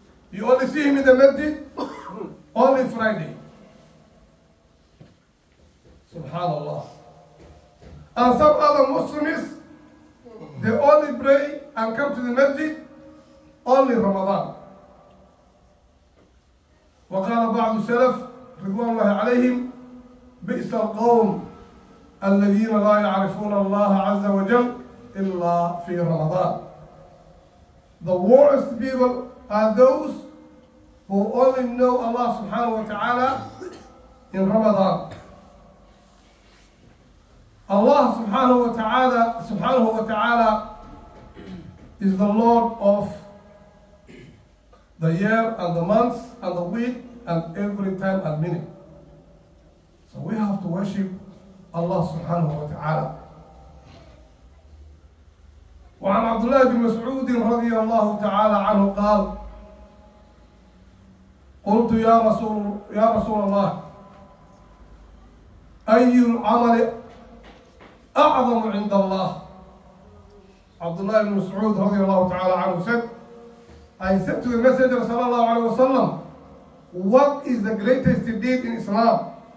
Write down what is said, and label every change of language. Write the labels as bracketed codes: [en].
[en] You only see him in the masjid only Friday. Subhanallah. And some other Muslims, they only pray and come to the masjid only Ramadan. [ar] وقال بعض السلف رضوان الله عليهم بئس القوم الذين لا يعرفون الله عز وجل إلا في رمضان. [en] The worst people are those who only know Allah سبحانه وتعالى in Ramadan. Allah سبحانه وتعالى is the Lord of the year and the months and the week and every time and minute. So we have to worship Allah سبحانه وتعالى. [ar] وعن عبد الله بن مسعود رضي الله تعالى عنه قال قلت يا رسول الله أي العمل أعظم عند الله؟ عبد الله بن مسعود رضي الله تعالى عنه [en] said I said to the messenger [ar] صلى الله عليه وسلم [en] what is the greatest deed in Islam?